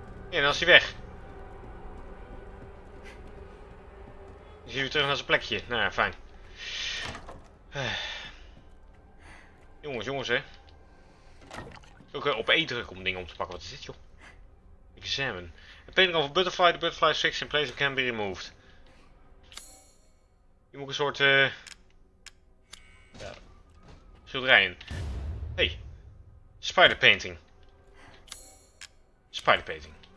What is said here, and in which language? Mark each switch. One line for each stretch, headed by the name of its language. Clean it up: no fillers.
Dutch: En dan is hij weg. Dan zien we terug naar zijn plekje. Nou ja, fijn. Jongens, jongens, hè. Ook op E druk om dingen om te pakken. Wat is dit, joh? Examine. Een
English: painting of a butterfly. The butterfly sticks in place of can be removed.
Dutch: Je moet een soort, schilderij in.
English: Hey. Spider painting. Spider painting.